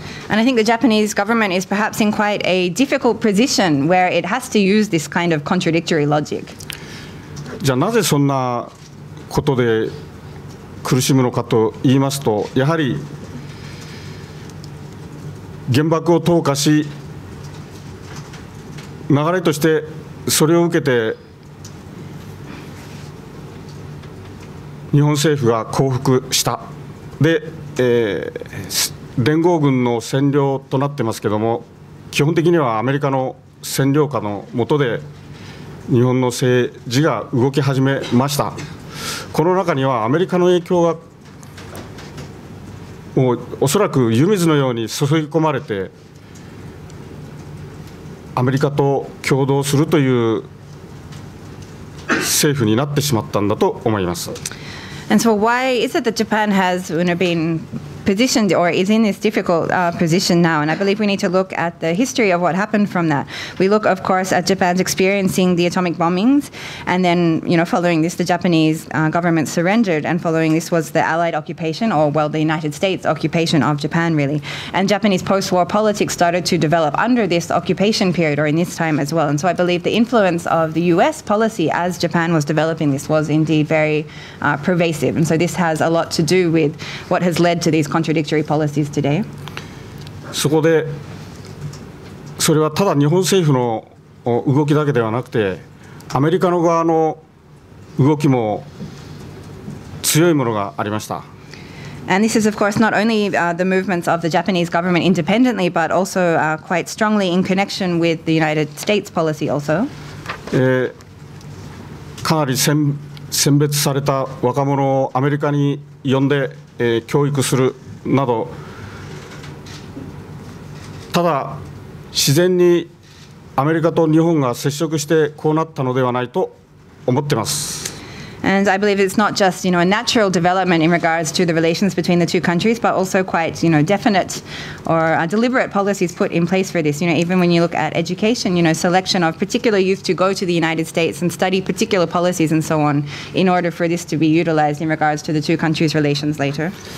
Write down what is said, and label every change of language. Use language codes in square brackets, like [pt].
[en] And I think the Japanese government is perhaps in quite a difficult position where it has to use this kind of contradictory logic. [ja] じゃあなぜそんなことで苦しむのかと言いますと、やはり原爆を投下し、流れとしてそれを受けて日本政府が降伏した。で、連合軍の占領となってますけども、基本的にはアメリカの占領下の下で日本の政治が動き始めました。この中にはアメリカの影響がもうおそらく湯水のように注ぎ込まれて、アメリカと共同するという政府になってしまったんだと思います。 [en] And so why is it that Japan has been positioned or is in this difficult position now? And I believe we need to look at the history of what happened from that. We look, of course, at Japan's experiencing the atomic bombings. And then, you know, following this, the Japanese government surrendered. And following this was the Allied occupation or, well, the United States occupation of Japan, really. And Japanese post-war politics started to develop under this occupation period or in this time as well. And so I believe the influence of the U.S. policy as Japan was developing this was indeed very pervasive. And so this has a lot to do with what has led to these contradictory policies today. [ja] そこでそれはただ日本政府の動きだけではなくてアメリカの側の動きも強いものがありました。 [en] And this is of course not only the movements of the Japanese government independently but also quite strongly in connection with the United States policy also. [ja] かなり選別された若者をアメリカに呼んで、教育するなど、ただ自然にアメリカと日本が接触してこうなったのではないと思っています。 [en] And I believe it's not just, you know, a natural development in regards to the relations between the two countries, but also quite, you know, definite or deliberate policies put in place for this. You know, even when you look at education, you know, selection of particular youth to go to the United States and study particular policies and so on in order for this to be utilized in regards to the two countries' relations later.